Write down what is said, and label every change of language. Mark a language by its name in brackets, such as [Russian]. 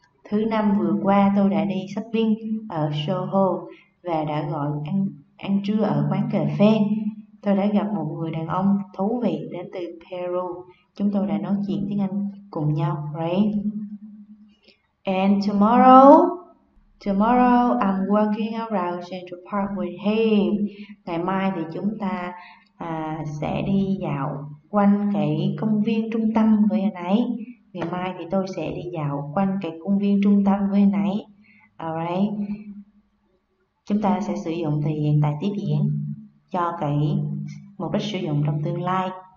[Vietnamese] Thứ năm vừa qua tôi đã đi shopping ở Soho và đã gọi ăn trưa ở quán cà phê. Tôi đã gặp một người đàn ông thú vị đến từ Peru. Chúng tôi đã nói chuyện tiếng Anh cùng nhau, right? [English] And tomorrow I'm walking around Central Park with him. [Vietnamese] Ngày mai thì chúng ta sẽ đi dạo quanh cái công viên trung tâm với anh ấy. Ngày mai thì tôi sẽ đi dạo quanh cái công viên trung tâm với anh ấy. Alright. Chúng ta sẽ sử dụng thì hiện tại tiếp diễn cho cái mục đích sử dụng trong tương lai.